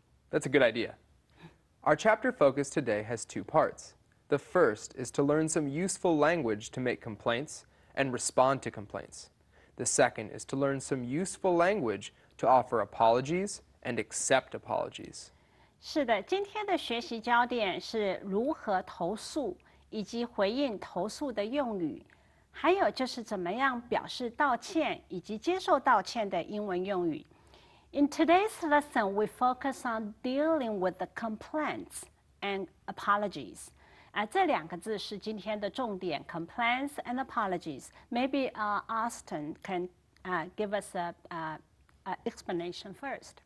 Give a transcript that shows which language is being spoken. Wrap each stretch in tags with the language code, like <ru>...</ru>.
<en>That's a good idea. Our chapter focus today has two parts. The first is to learn some useful language to make complaints and respond to complaints. The second is to learn some useful language to offer apologies and accept apologies.</en> <zh>是的，今天的学习焦点是如何投诉以及回应投诉的用语。还有就是怎么样表示道歉以及接受道歉的英文用语。</zh> <en>In today's lesson, we focus on dealing with the complaints and apologies.</en> <zh>这两个字是今天的重点</zh> <en>complaints and apologies. Maybe Austin can give us an explanation first.</en>